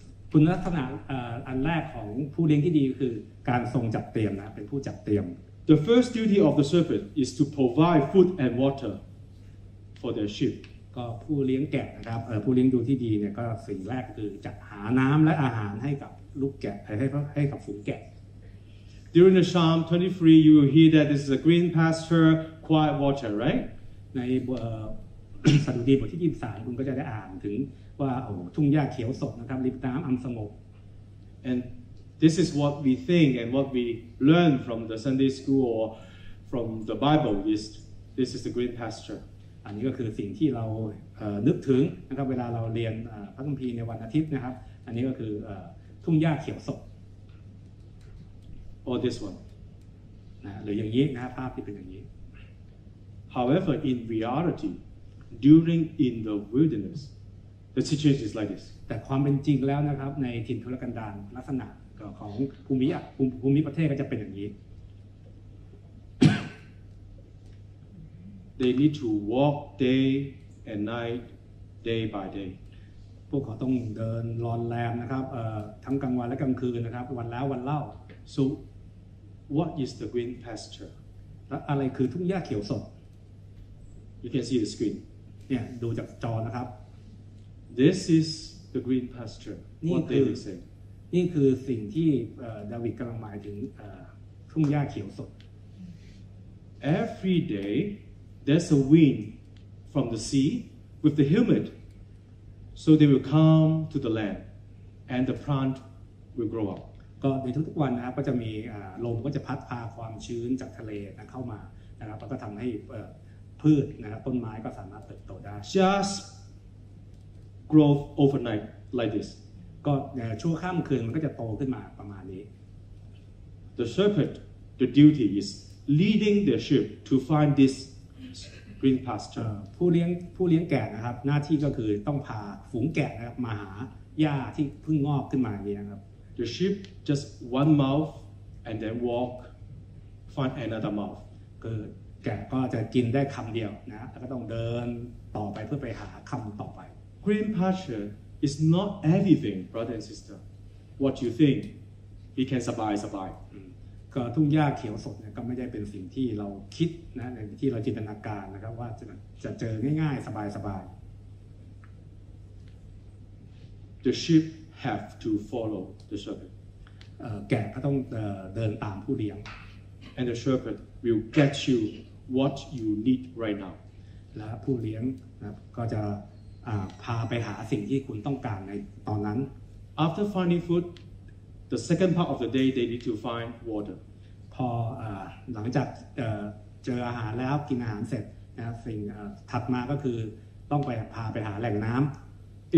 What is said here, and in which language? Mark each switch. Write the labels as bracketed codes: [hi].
[th] คุณลักษณะอันแรกของผู้เลี้ยงที่ดีคือการทรงจัดเตรียมนะเป็นผู้จัดเตรียม [en] The first duty of the shepherd is to provide food and waterfor their sheep [th] ก็ผู้เลี้ยงแกะนะครับผู้เลี้ยงดูที่ดีเนี่ยก็สิ่งแรกคือจัดหาน้ำและอาหารให้กับลูกแกะให้กับฝูงแกะ [en] During the Psalm 23 you will hear that this is a green pasture quiet water right [th] ในสดุดีบทที่23คุณก็จะได้อ่านถึงว่าโอ้ทุ่งหญ้าเขียวสดนะครับริมน้ำอันสงบ [en] And this is what we think and what we learn from the Sunday school or from the Bible is this is the green pasture [th] อันนี้ก็คือสิ่งที่เรานึกถึงนะครับเวลาเราเรียนพระคัมภีร์ในวันอาทิตย์นะครับอันนี้ก็คือทุ่งหญ้าเขียวสด [en] or this one [th] นะหรืออย่างนี้นะภาพที่เป็นอย่างนี้ [en] However in reality during in the wilderness the situation is like this [th] แต่ความเป็นจริงแล้วนะครับในถิ่นทุรกันดารลักษณะของภูมิประเทศก็จะเป็นอย่างนี้ [en] They need to walk day and night, day by day. [th] พวกเขาต้องเดินรอนแรมนะครับทั้งกลางวันและกลางคืนนะครับวันแล้ววันเล่า [en] So, what is the green pasture? [th] และอะไรคือทุ่งหญ้าเขียวสด [en] You can see the screen. [th] เนี่ยดูจากจอนะครับ [en] This is the green pasture. What David is saying. [th] นี่คือสิ่งที่ดาวิดกำลังหมายถึงทุ่งหญ้าเขียวสด [en] Every day. There's a wind from the sea with the humid, so they will come to the land, and the plant will grow up. [th] ก็ในทุกๆวันนะครับก็จะมีลมก็จะพัดพาความชื้นจากทะเลเข้ามานะครับแล้วก็ทำให้พืชนะครับต้นไม้ก็สามารถเติบโตได้ [en] Just grow overnight like this. [th] ก็ชั่วข้ามคืนมันก็จะโตขึ้นมาประมาณนี้ [en] The shepherd, the duty is leading the sheep to find this. Green pasture. [th] ผู้เลี้ยงแกะนะครับหน้าที่ก็คือต้องพาฝูงแกะนะครับมาหาหญ้าที่เพิ่งงอกขึ้นมาเนี่ยครับ [en] The sheep just one mouth and then walk find another mouth. [th] ก็แกะก็จะกินได้คำเดียวนะแล้วก็ต้องเดินต่อไปเพื่อไปหาคำต่อไป [en] Green pasture is not everything, brother and sister. What you think, he can survive, survive. [th] ก็ทุ่งหญ้าเขียวสดเนี่ยก็ไม่ได้เป็นสิ่งที่เราคิดนะในที่เราจินตนาการนะครับว่าจะเจอง่ายๆสบายๆ [en] The sheep have to follow the shepherd [th] แกะก็ต้องเดินตามผู้เลี้ยง [en] And the shepherd will get you what you need right now [th] และผู้เลี้ยงนะก็จะพาไปหาสิ่งที่คุณต้องการในตอนนั้น [en] After finding foodThe second part of the day, they need to find water. [th] พอหลังจากเจออาหารแล้วกินอาหารเสร็จนะสิ่งถัดมาก็คือต้องไปพาไปหาแหล่งน้ำ